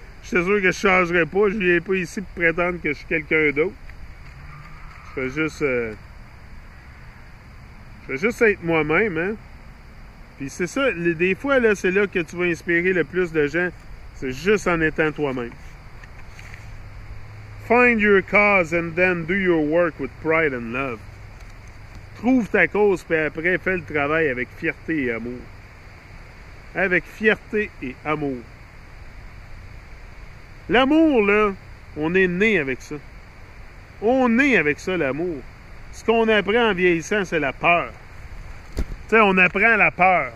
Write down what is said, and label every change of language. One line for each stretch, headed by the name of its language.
French: Je suis sûr que je ne changerai pas. Je ne viens pas ici pour prétendre que je suis quelqu'un d'autre. Je fais juste être moi-même, hein? Puis c'est ça, des fois, là, c'est là que tu vas inspirer le plus de gens. C'est juste en étant toi-même.
English: Find your cause and then do your work with pride and love.
French: Trouve ta cause, puis après, fais le travail avec fierté et amour. Avec fierté et amour. L'amour, là, on est né avec ça. On est avec ça, l'amour. Ce qu'on apprend en vieillissant, c'est la peur. Tu sais, on apprend la peur.